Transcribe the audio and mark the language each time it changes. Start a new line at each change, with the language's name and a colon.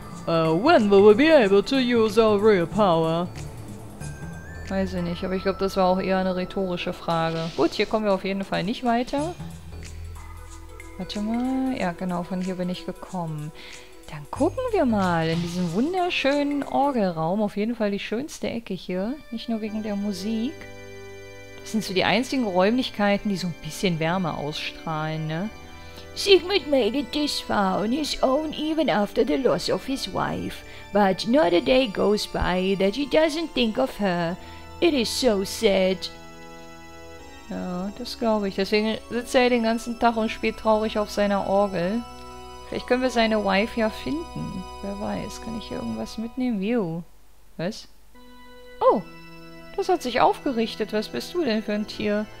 English: When will we be able to use our real power?
German: Weiß ich nicht, aber ich glaube, das war auch eher eine rhetorische Frage. Gut, hier kommen wir auf jeden Fall nicht weiter. Warte mal, ja genau, von hier bin ich gekommen. Dann gucken wir mal in diesem wunderschönen Orgelraum, auf jeden Fall die schönste Ecke hier, nicht nur wegen der Musik. Das sind so die einzigen Räumlichkeiten, die so ein bisschen Wärme ausstrahlen, ne?
English: Sigmund made it this far on his own even after the loss of his wife. But not a day goes by that he doesn't think of her. It is so sad.
German: Ja, das glaube ich. Deswegen sitzt er den ganzen Tag und spielt traurig auf seiner Orgel. Vielleicht können wir seine Wife ja finden. Wer weiß, kann ich hier irgendwas mitnehmen? View. Was? Oh, das hat sich aufgerichtet. Was bist du denn für ein Tier?